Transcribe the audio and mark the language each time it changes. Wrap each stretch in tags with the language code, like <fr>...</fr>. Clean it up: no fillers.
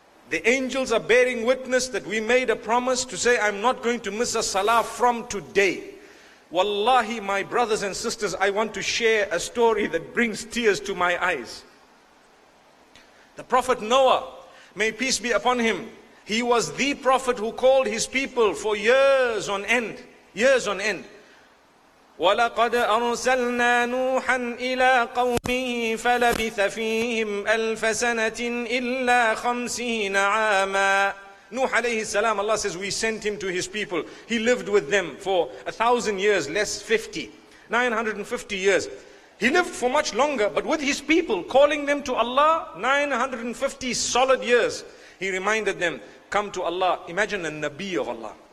<en>The angels are bearing witness that we made a promise to say, I'm not going to miss a salah from today. Wallahi, my brothers and sisters, I want to share a story that brings tears to my eyes. The Prophet Noah, may peace be upon him, he was the prophet who called his people for years on end. Years on end.</en> <ar>وَلَقَدْ أَرْسَلْنَا نُوحًا إِلَىٰ قَوْمِهِ فَلَبِثَ فِيهِمْ أَلْفَ سَنَةٍ إِلَّا خَمْسِينَ عَامًا</ar> <en>Nuh alayhi salam, Allah says, we sent him to his people. He lived with them for 1,000 years, less 50. 950 years. He lived for much longer, but with his people, calling them to Allah, 950 solid years. He reminded them, come to Allah. Imagine a Nabi of Allah.</en>